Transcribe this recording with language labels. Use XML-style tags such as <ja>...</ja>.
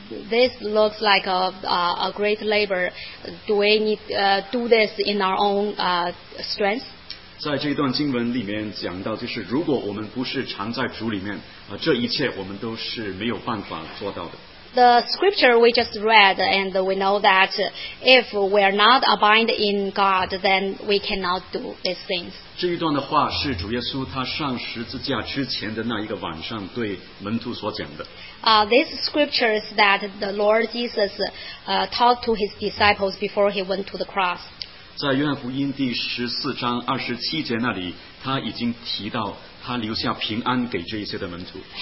<en>This looks like a great labor. Do we need do this in our own strength?</en> <zh>在这一段经文里面讲到，就是如果我们不是常在主里面，这一切我们都是没有办法做到的。</zh> <en>The scripture we just read, and we know that if we are not abide in God, then we cannot do these things.</en> <zh>这一段的话是主耶稣他上十字架之前的那一个晚上对门徒所讲的。</zh> <en>This scripture is that the Lord Jesus talked to his disciples before he went to the cross.</en> <zh>在约翰福音第十四章二十七节那里，他已经提到他留下平安给这一些的门徒。</zh>